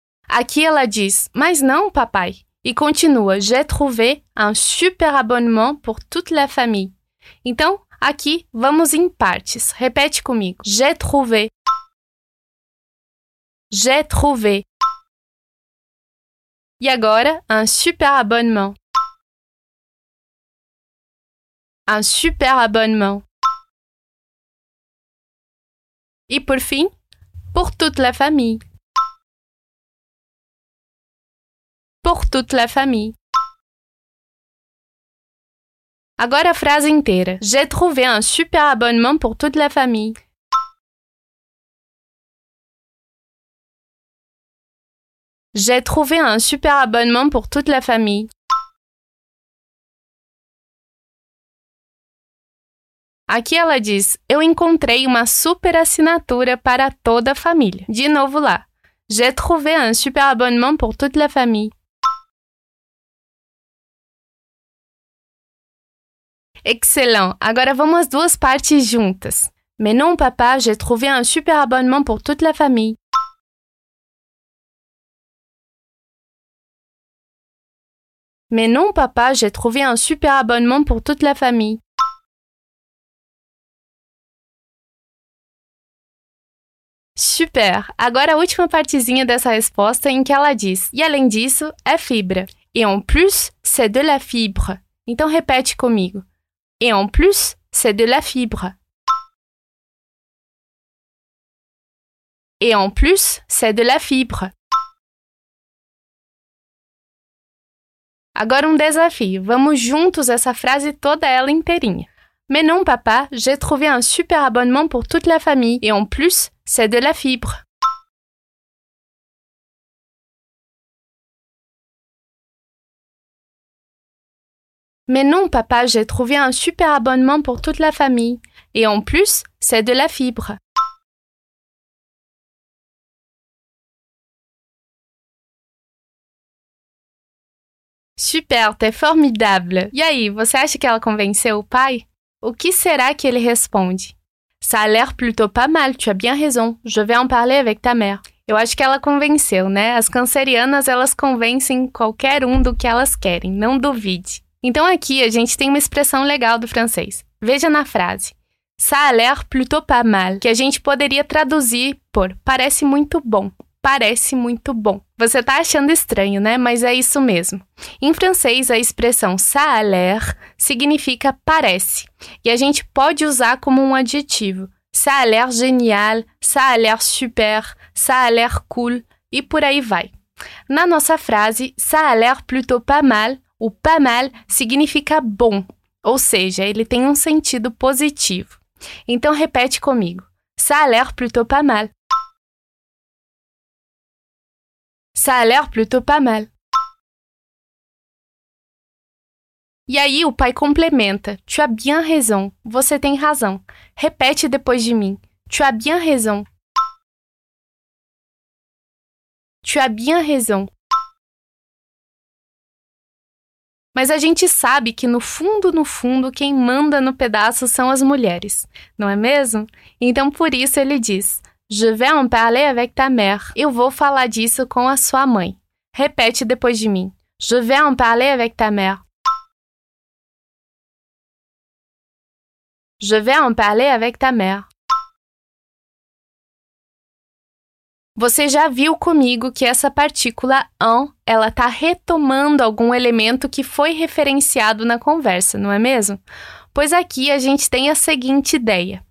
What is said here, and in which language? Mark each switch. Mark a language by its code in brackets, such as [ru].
[pt] Aqui ela diz, mas não, papai. E continua, [fr] j'ai trouvé un super abonnement pour toute la famille. [pt] Então, aqui, vamos em partes. Repete comigo. [fr] J'ai trouvé. J'ai trouvé. [pt] E agora, [fr] un super abonnement. Un super abonnement. [pt] E por fim, [fr] pour toute la famille. Pour toute la famille. [pt] Agora a frase inteira. [fr] J'ai trouvé un super abonnement pour toute la famille. J'ai trouvé un super abonnement pour toute la famille. [pt] Aqui ela diz, eu encontrei uma super assinatura para toda a família. De novo lá. [fr] J'ai trouvé un super abonnement pour toute la famille. Excellent. [pt] Agora vamos as duas partes juntas. [fr] Mais non, papa, j'ai trouvé un super abonnement pour toute la famille. Mais non, papa, j'ai trouvé un super abonnement pour toute la famille. Super! [pt] Agora a última partezinha dessa resposta em que ela diz e além disso, é fibra. [fr] Et en plus, c'est de la fibre. [pt] Então repete comigo. [fr] Et en plus, c'est de la fibre. Et en plus, c'est de la fibre. [pt] Agora um desafio. Vamos juntos essa frase toda ela inteirinha. [fr] Mais non, papa, j'ai trouvé un super abonnement pour toute la famille. Et en plus, c'est de la fibre. Mais non, papa, j'ai trouvé un super abonnement pour toute la famille. Et en plus, c'est de la fibre. Super, t'es formidable. [pt] E aí, você acha que ela convenceu o pai? O que será que ele responde? [fr] Ça a l'air plutôt pas mal, tu as bien raison. Je vais en parler avec ta mère. [pt] Eu acho que ela convenceu, né? As cancerianas, elas convencem qualquer um do que elas querem, não duvide. Então aqui a gente tem uma expressão legal do francês. Veja na frase. [fr] Ça a l'air plutôt pas mal, [pt] que a gente poderia traduzir por parece muito bom. Parece muito bom. Você tá achando estranho, né? Mas é isso mesmo. Em francês, a expressão [fr] ça a l'air [pt] significa parece. E a gente pode usar como um adjetivo. [fr] Ça a l'air génial, ça a l'air super, ça a l'air cool, e por aí vai. [pt] Na nossa frase, [fr] ça a l'air plutôt pas mal, o pas mal [pt] significa bom. Ou seja, ele tem um sentido positivo. Então, repete comigo. [fr] Ça a l'air plutôt pas mal. Ça a l'air plutôt pas mal. [pt] E aí, o pai complementa. [fr] Tu as bien raison. [pt] Você tem razão. Repete depois de mim. [fr] Tu as bien raison. Tu as bien raison. [pt] Mas a gente sabe que no fundo, no fundo, quem manda no pedaço são as mulheres. Não é mesmo? Então, por isso, ele diz... [fr] Je vais en parler avec ta mère. [pt] Eu vou falar disso com a sua mãe. Repete depois de mim. [fr] Je vais en parler avec ta mère. Je vais en parler avec ta mère. [pt] Você já viu comigo que essa partícula en, ela está retomando algum elemento que foi referenciado na conversa, não é mesmo? Pois aqui a gente tem a seguinte ideia.